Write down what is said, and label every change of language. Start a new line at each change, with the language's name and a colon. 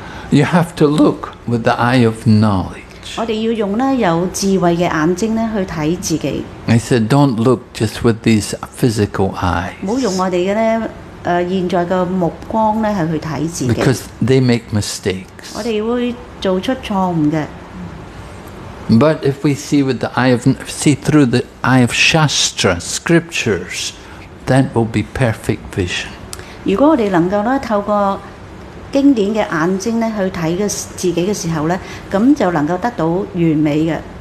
English: ？You have to look with the eye of knowledge.
Cantonese: 我哋要用咧有智慧嘅眼睛咧去睇自己。
English: I said, don't look just with these physical eyes.
Cantonese: 唔好用我哋嘅咧現在嘅目光咧係去睇自己。
English: Because they make mistakes.
Cantonese: 我哋會做出錯誤嘅。
English: But if we see with the eye of see through the eye of Shastra scriptures, that will be perfect vision.
Cantonese: 如果我哋能夠咧透過經典嘅眼睛咧去睇嘅自己嘅時候咧，咁就能夠得到完美嘅。